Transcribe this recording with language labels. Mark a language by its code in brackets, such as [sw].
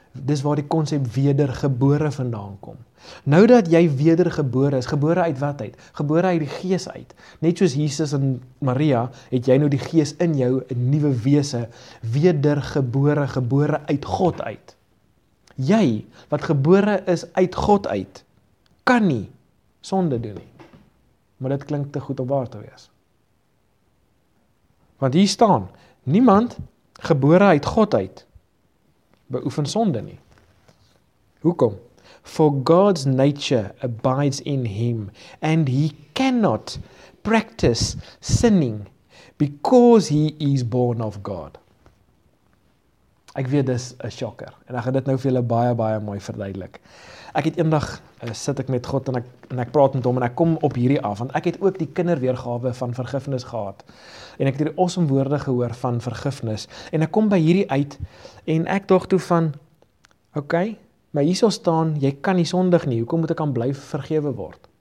[af] Dis waar die konsep wedergebore vandaan kom. Nou dat jy wedergebore is, gebore uit wat uit? Gebore uit die Gees uit. Net soos Jesus en Maria, het jy nou die Gees in jou, 'n nuwe wese, wedergebore, gebore uit God uit. Jy, wat gebore is uit God uit, kan nie sonde doen nie. Maar dit klink te goed om waar te wees. Want hier staan, niemand gebore uit God uit beoefen sonde nie. Hoekom? [en] For God's nature abides in him and he cannot practice sinning because he is born of God. [af] Ek weet, dis 'n shocker. En ek gaan dit nou vir julle baie, baie mooi verduidelik. Ek het eendag, sit ek met God en ek praat met hom en ek kom op hierdie af, want ek het ook die kinderweergawe van vergifnis gehad. En ek het hierdie awesome woorde gehoor van vergifnis. En ek kom by hierdie uit en ek dog toe van, ok, maar hierso staan, jy kan nie sondig nie, hoekom moet ek aan bly vergewe word?